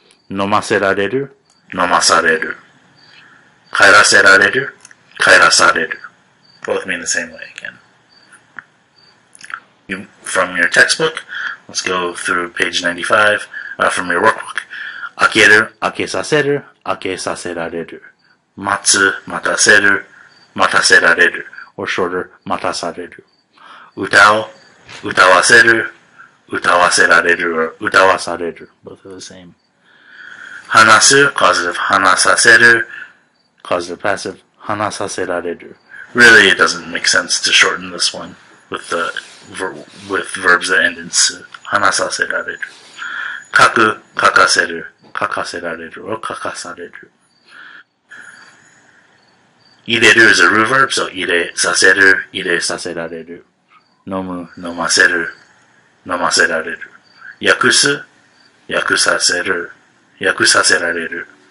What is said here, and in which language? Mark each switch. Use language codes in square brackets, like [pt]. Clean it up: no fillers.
[ja] Nomasereru, nomasareru. Kaerasereru, kaerasareru. [en] Both mean the same way again. From your textbook, let's go through page 95, from your workbook. [ja] 開ける、開けさせる、開けさせられる。待つ、待たせる、待たせられる。 [en] Or shorter, 待たされる。 [ja] 歌う、歌わせる、歌わせられる、or 歌わされる。 [en] Both are the same. 話す、causative, 話させる。 Causative passive, 話させられる。 Really, it doesn't make sense to shorten this one with the with verbs that end in su. [ja] 話させられる。書く、書かせる、書かせられる、or 書かされる。 [en] 入れる is a ru verb, so 入れさせる、入れさせられる。 [ja] 飲む、飲ませる、飲ませられる。訳す、訳させる、訳させられる。